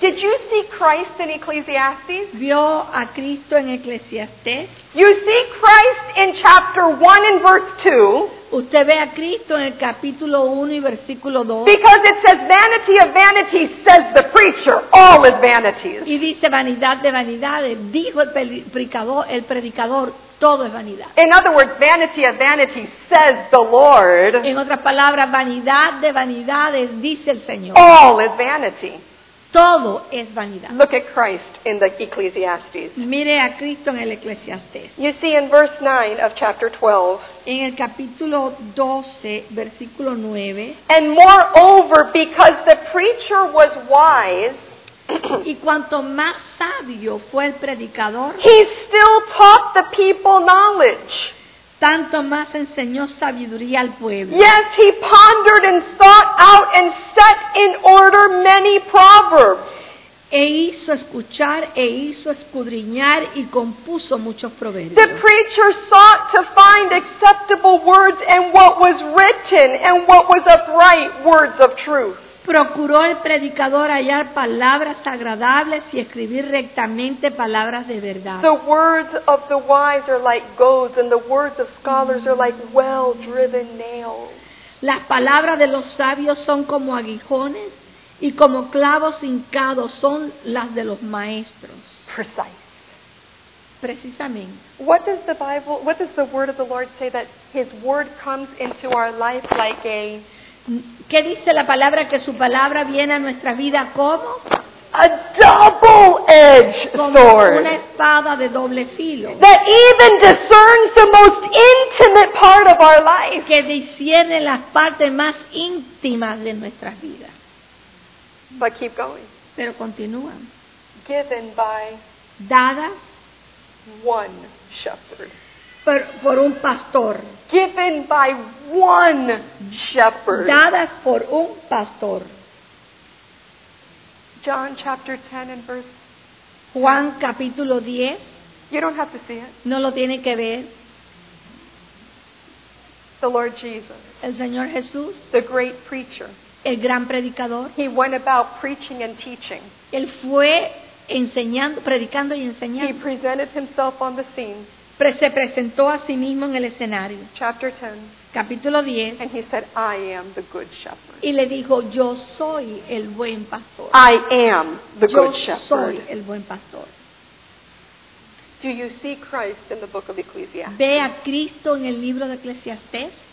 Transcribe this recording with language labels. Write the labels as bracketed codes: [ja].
[en] Did you see Christ in Ecclesiastes? [es] ¿Vio a Cristo en Eclesiastés? [en] You see Christ in chapter 1 and verse 2. [es] Usted ve a Cristo en el capítulo 1 y versículo 2. [en] Because it says vanity of vanities, says the preacher, all is vanities. [es] Y dice vanidad de vanidades, dijo el predicador, todo es vanidad. [en] In other words, vanity of vanities, says the Lord. [es] En otras palabras, vanidad de vanidades, dice el Señor. [en] All is vanity. [es] Todo es vanidad. [en] Look at Christ in the Ecclesiastes. [es] Mire a Cristo en el Eclesiastés. [en] You see in verse 9 of chapter 12. [es] En el capítulo 12, versículo 9. [en] And moreover, because the preacher was wise, [es] y cuanto más sabio fue el predicador, [en] he still taught the people knowledge. [es] Tanto más enseñó sabiduría al pueblo. [en] Yes, he pondered and thought out and set in order many proverbs. [es] E hizo escuchar, e hizo escudriñar y compuso muchos proverbios. [en] The preacher sought to find acceptable words and what was written and what was upright words of truth. [es] Procuró el predicador hallar palabras agradables y escribir rectamente palabras de verdad. [en] The words of the wise are like goads, and the words of scholars are like well-driven nails. [es] Las palabras de los sabios son como aguijones y como clavos hincados son las de los maestros. [en] Precise. [es] Precisamente. [en] What does the Bible, what does the word of the Lord say that his word comes into our life like a... [es] ¿Qué dice la palabra que su palabra viene a nuestra vida como? [en] A double-edged sword. [es] Como una espada de doble filo. [en] That even discerns the most intimate part of our life. [es] Que discierne las partes más íntimas de nuestras vidas. [en] But keep going. [es] Pero continúa. [en] Given by [es] dada [en] one shepherd. [es] Por un pastor. [en] Given by one shepherd. [es] Dadas por un pastor. [en] John chapter 10 and verse 10. [es] Juan capítulo 10. [en] You don't have to see it. [es] No lo tiene que ver. [en] The Lord Jesus. [es] El Señor Jesús. [en] The great preacher. [es] El gran predicador. [en] He went about preaching and teaching. [es] Él fue enseñando, predicando y enseñando. [en] He presented himself on the scene. [es] Se presentó a sí mismo en el escenario. [en] Chapter 10. [es] Capítulo 10. [en] And he said, I am the good shepherd. [es] Y le dijo, yo soy el buen pastor. [en] I am the good shepherd. [es] Yo soy el buen pastor. [en] Do you see Christ in the book of Ecclesiastes? [es] ¿Ve a Cristo en el libro de Eclesiastés?